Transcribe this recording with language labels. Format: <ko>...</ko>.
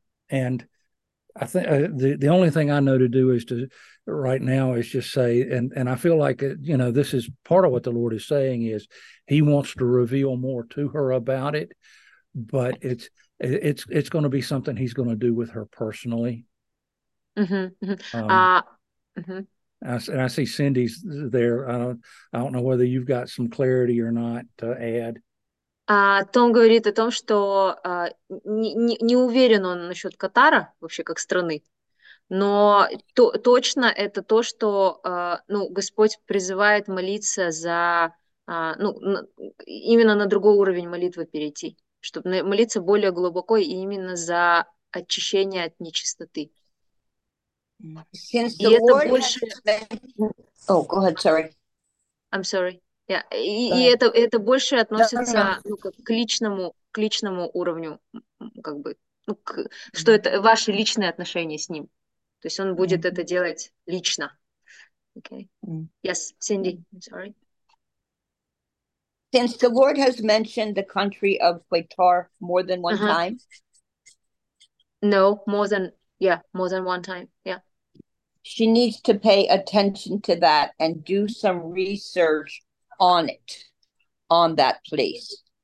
<en>And I think the only thing I know to do is to right now is just say and I feel like you know this is part of what the Lord is saying is He wants to reveal more to her about it, but it's going to be something he's going to do with her personally. Mm-hmm. I see Cindy's there. I don't know whether you've got some clarity or not to add.</en> <ru>Том говорит о том, что не уверен он насчет Катара вообще как страны, но точно это то, что ну Господь призывает молиться за ну именно на другой уровень молитвы перейти. Чтобы молиться более глубоко и именно за очищение от нечистоты.</ru> <en>Since the Lord</en> <ru>больше...</ru> <en>has... Oh, go ahead, sorry. I'm sorry. Yeah.</en> <ru>И это больше относится ну, как, к личному уровню, как бы, ну, к, что это ваши личные отношения с ним. То есть он будет это делать лично.</ru> <en>Okay. Yes, Cindy, I'm sorry. Since the Lord has mentioned the country of Qatar more than one time. No, more than, yeah, more than one time, yeah. She needs to pay attention to that and do some research on it, on that place.</en>